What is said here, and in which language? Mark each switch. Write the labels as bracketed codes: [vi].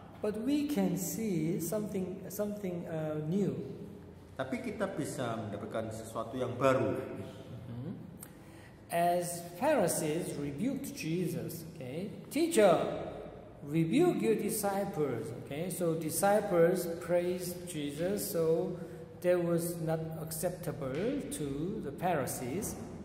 [en] But we can see something new. [id] Tapi kita bisa mendapatkan sesuatu yang baru. [en] As Pharisees rebuked Jesus, okay, teacher, rebuke your disciples, okay. So disciples praised Jesus, so that was not acceptable to the Pharisees.